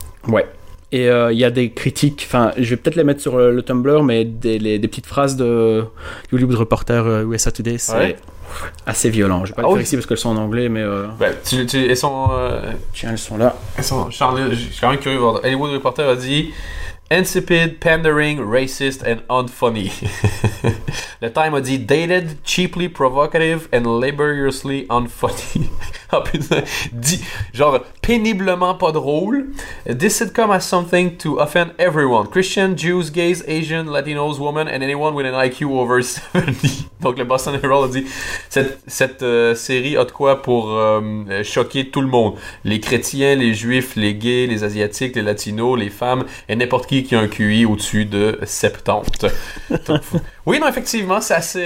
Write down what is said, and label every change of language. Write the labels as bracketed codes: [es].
[fr] Ouais. Et il y a des critiques, enfin, je vais peut-être les mettre sur le Tumblr, mais des petites phrases de Hollywood Reporter USA Today, c'est assez violent. Je vais pas le faire ici parce qu'elles sont en anglais, mais. Elles sont. Tiens, elles sont là. Je suis quand même curieux de voir. [en] Hollywood Reporter [fr] a dit: [en] insipid, pandering, racist, and unfunny. [fr] Le Time a dit: [en] dated, cheaply provocative, and laboriously unfunny. [fr] Ah putain, dit genre péniblement pas drôle. [en] This sitcom has something to offend everyone: Christian, Jews, gays, Asian, Latinos, women, and anyone with an IQ over 70. [fr] Donc le Boston Herald a dit: cette série a de quoi pour choquer tout le monde: les chrétiens, les juifs, les gays, les asiatiques, les latinos, les femmes, et n'importe qui a un QI au-dessus de 70. Oui, non, effectivement, c'est assez.